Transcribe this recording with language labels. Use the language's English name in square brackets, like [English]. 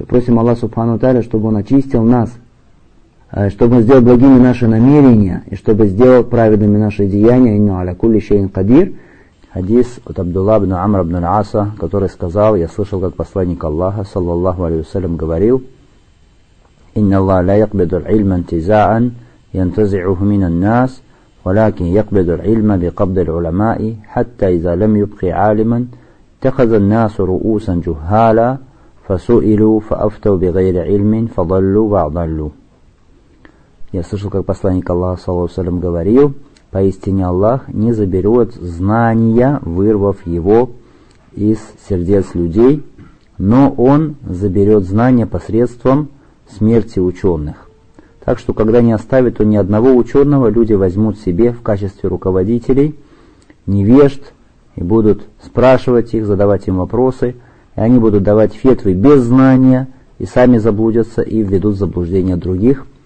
[Russian] И просим Аллах Субхану Тааля, чтобы Он очистил нас, чтобы Он сделал благими наши намерения, и чтобы сделал праведными наши деяния, [Arabic] инна аля кулли шейин кадир. [Russian] Хадис от Абдулла ибн Амр ибн Аса, который сказал, я слышал, как посланник Аллаха, саллаллаху алейхи вассалям, говорил, [Arabic] إن الله لا يقبض العلم انتزاعا ينتزعه من الناس، ولكن يقبض العلم بقبض العلماء، حتى إذا لم يبقي عالما اتخذ الناس رؤوسا جهالا، فسئلوا فأفتوا بغير علم فضلوا وأضلوا. [Russian] Я слышал, как посланник Аллаха, саллаллаху алейхи ва саллям, говорил: «Поистине Аллах не заберет знания, вырвав его из сердец людей, но Он заберет знания посредством смерти ученых. Так что, когда не оставит Он ни одного ученого, люди возьмут себе в качестве руководителей невежд и будут спрашивать их, задавать им вопросы, и они будут давать фетвы без знания, и сами заблудятся и введут в заблуждение других».